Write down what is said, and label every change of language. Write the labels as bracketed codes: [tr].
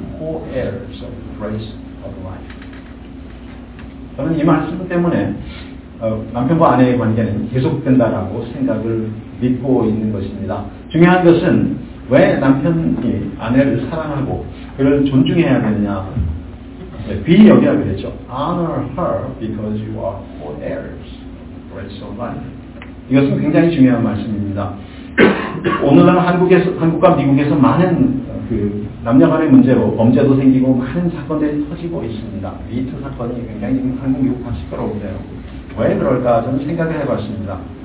[en] Co-heirs of the grace of life. [ko] 저는 이 말씀 때문에 남편과 아내의 관계는 계속된다라고 생각을 믿고 있는 것입니다. 중요한 것은 왜 남편이 아내를 사랑하고 그를 존중해야 되느냐. 귀여겨야 되겠죠. [en] Honor her because you are co-heirs of the grace of life. [ko] 이것은 굉장히 중요한 말씀입니다. 오늘날 한국과 미국에서 많은 그 남녀간의 문제로 범죄도 생기고 많은 사건들이 터지고 있습니다. 미투 사건이 굉장히 지금 한국, 미국과 시끄러운데요. 왜 그럴까 저는 생각을 해봤습니다.